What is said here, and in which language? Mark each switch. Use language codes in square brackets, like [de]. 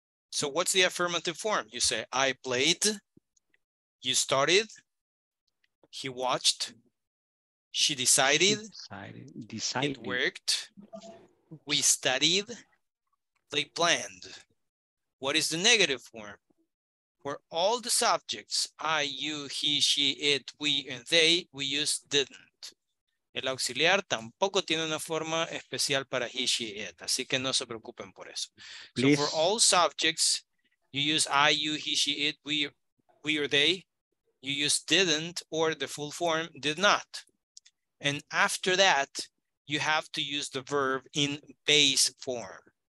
[en] So what's the affirmative form? You say, I played. You started, he watched, she decided, decided. It worked, we studied, they planned. What is the negative form? For all the subjects, I, you, he, she, it, we, and they, we use didn't. [es] El auxiliar tampoco tiene una forma especial para he, she, it, así que no se preocupen por eso. [en] Please. So for all subjects, you use I, you, he, she, it, we or they. You use didn't or the full form did not. And after that, you have to use the verb in base form.